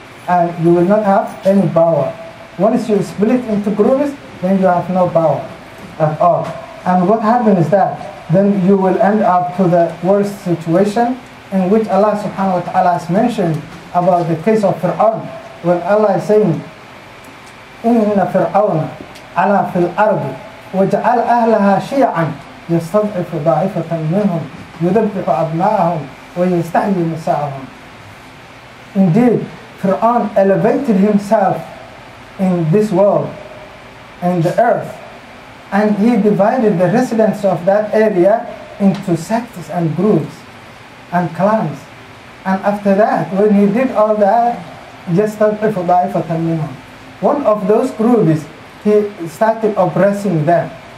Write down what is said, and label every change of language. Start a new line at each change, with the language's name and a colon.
English: And you will not have any power. Once you split into groups, then you have no power at all. And what happens is that then you will end up to the worst situation in which Allah subhanahu wa ta'ala has mentioned about the case of Fir'aun.
Arabic: When Allah is saying, إِنَّ فِرْعَوْنَ عَلَى فِي الْأَرْضِ وَجَعَلْ أَهْلَهَا شِيَعًا يَسْتَضْعِفُ ضَعِفَةً مِنْهُمْ يُذَبِّحُ أَبْنَاءَهُمْ وَيَسْتَحْيِي نِسَاءَهُمْ.
English: Indeed, Fir'aun elevated himself in this world, in the earth, and he divided the residents of that area into sects and groups and clans. And after that, when he did all that,
Arabic: يَسْتَضْعِفُ ضَعِفَةً مِنْهُمْ,
English: one of those groups, he started oppressing them.